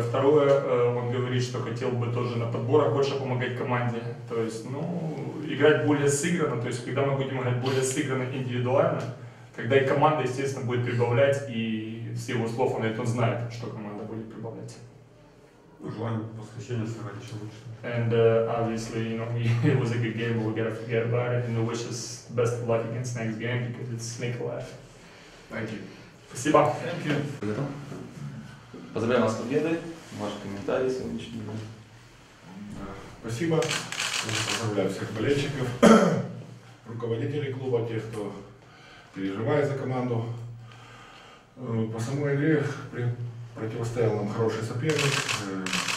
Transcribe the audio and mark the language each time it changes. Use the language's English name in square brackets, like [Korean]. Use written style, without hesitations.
[Russian] Второе, он говорит, что хотел бы тоже на подборах больше помогать команде. То есть, ну, играть более сыгранно. То есть, когда мы будем играть более сыгранно индивидуально, тогда и команда, естественно, будет прибавлять. И с его слов, он знает, что команда будет прибавлять. Желание воскресенья сыграть еще лучше. [English] And obviously, you know, it was a good game, we'll get to forget about it. And we wish us best of luck against next game, because it's snake life. Thank you. [Russian] Спасибо. [English] Thank you. [Russian] Поздравляем вас с победой. Ваши комментарии сегодняшний день. Спасибо. Поздравляю всех болельщиков, руководителей клуба, тех, кто переживает за команду. По самой игре противостоял нам хороший соперник.